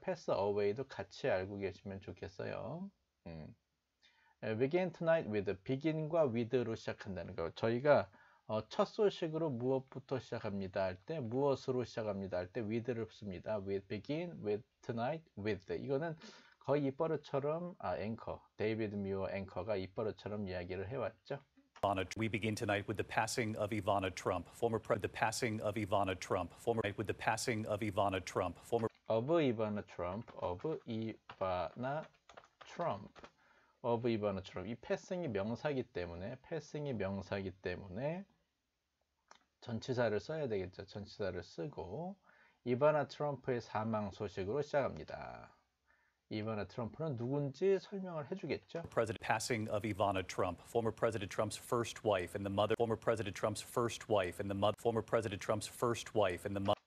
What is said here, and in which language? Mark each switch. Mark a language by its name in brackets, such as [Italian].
[Korean] pass away 도 같이 알고 계시면 좋겠어요. Begin tonight with, begin과 with로 시작한다는 거. 저희가 첫 소식으로 무엇부터 시작합니다 할 때, 무엇으로 시작합니다 할 때 with를 씁니다. [English] with, begin, with, tonight, with. [Korean] 이거는 거의 입버릇처럼 앵커 데이비드 뮤어 앵커가 입버릇처럼 이야기를 해왔죠. [English] We begin tonight with the passing of Ivana Trump, former president. The passing of Ivana Trump, former president. With the passing of Ivana Trump, former. Of Ivana Trump, of Ivana Trump, of Ivana Trump. [Korean] 이 passing이 명사기 때문에 passing이 명사기 때문에 전치사를 써야 되겠죠. 전치사를 쓰고 이바나 트럼프의 사망 소식으로 시작합니다. 이바나 트럼프는 누군지 설명을 해주겠죠. [English] President passing of Ivana Trump, former President Trump's first wife and the mother. Former President Trump's first wife and the mother. Former President Trump's first wife and the mother.